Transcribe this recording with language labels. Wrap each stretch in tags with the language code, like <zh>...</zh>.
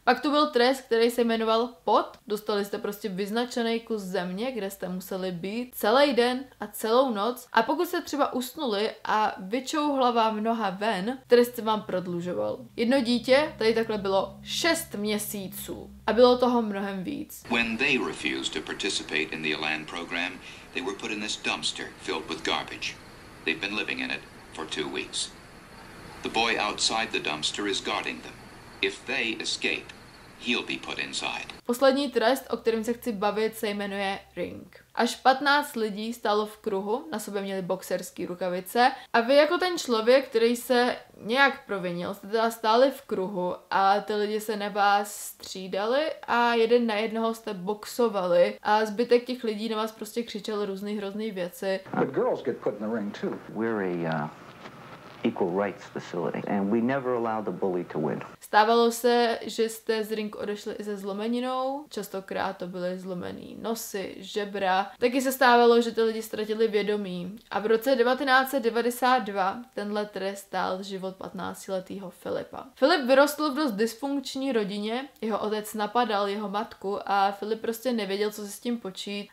<cs>Pak tu byl trest, který se jmenoval pot. Dostali jste prostě vyznačený kus země, kde jste museli být celý den a celou noc a pokud jste třeba usnuli a vyčouhla vám noha ven, trest se vám prodlužoval. Jedno dítě tady takhle bylo 6 měsíců a bylo toho mnohem víc.</cs> <en>When they refused to participate in the Elan program, they were put in this dumpster filled with garbage. They've been living in it for 2 weeks. The boy outside the dumpster is guarding them. If they escape, he'll be put inside.</en> <cs>Poslední trest, o kterém se chci bavit, se jmenuje Ring. Až 15 lidí stálo v kruhu, na sobě měli boxerské rukavice a vy jako ten člověk, který se nějak provinil, jste teda stáli v kruhu a ty lidi se na vás střídali a jeden na jednoho jste boxovali a zbytek těch lidí na vás prostě křičel různý hrozný věci.</cs> <en>The girls get put in the ring too. We're a equal rights facility and we never allow the bully to win.</en> <cs>Stávalo se, že jste z ring odešli i se zlomeninou, častokrát to byly zlomený nosy, žebra. Taky se stávalo, že ty lidi ztratili vědomí. A v roce 1992 tenhle trest stál život 15-letýho Filipa. Filip vyrostl v dost dysfunkční rodině, jeho otec napadal jeho matku a Filip prostě nevěděl, co se s tím počít.</cs>